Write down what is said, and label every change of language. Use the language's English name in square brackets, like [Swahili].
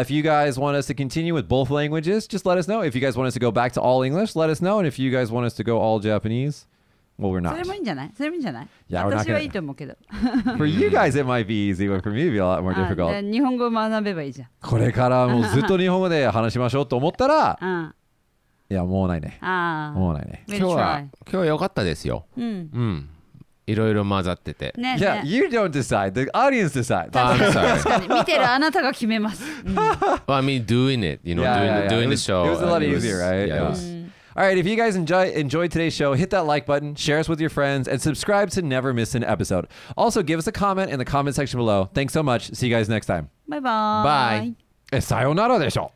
[English] If you guys want us to continue with both languages, just let us know. If you guys want us to go back to all English, let us know. And if you guys want us to go all Japanese, well, we're not. Yeah, we're not gonna... For you guys, it might be easy, but for me, it'd be a lot more difficult. [Japanese] いやもうないね。ああ、もうないね。今日は良かったですよ。うん。うん。いろいろ混ざってて。ね。 [English] Yeah, you don't decide. The audience decides. [Japanese] 確かに。見てるあなたが決めます。うん。 [English] Well, I mean, doing it, you know, doing the show. It was a lot easier, right? Yeah. Was... All right. If you guys enjoyed today's show, hit that like button, share us with your friends, and subscribe to never miss an episode. Also, give us a comment in the comment section below. Thanks so much. See you guys next time. Bye-bye. Bye. [Japanese] さよならでしょ。